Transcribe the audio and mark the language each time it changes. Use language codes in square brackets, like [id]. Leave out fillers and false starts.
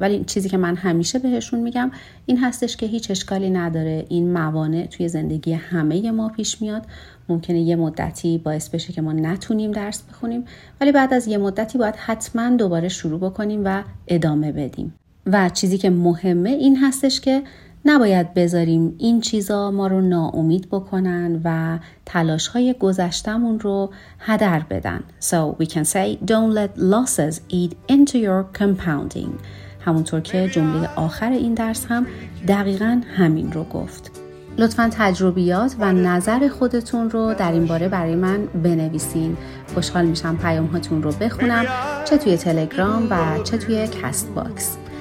[fa] ولی چیزی که من همیشه بهشون میگم این هستش که هیچ اشکالی نداره، این موانع توی زندگی همه ما پیش میاد، ممکنه یه مدتی باعث بشه که ما نتونیم درس بخونیم، ولی بعد از یه مدتی باید حتما دوباره شروع بکنیم و ادامه بدیم. و چیزی که مهمه این هستش که نباید بذاریم این چیزا ما رو ناامید بکنن و تلاش‌های گذشتمون رو هدر بدن. [en] So we can say don't let losses eat into your compounding. [fa] همونطور که جمله آخر این درس هم دقیقاً همین رو گفت. لطفاً تجربیات و نظر خودتون رو در این باره برای من بنویسین. خوشحال میشم پیام‌هاتون رو بخونم، چه توی تلگرام و چه توی کست باکس.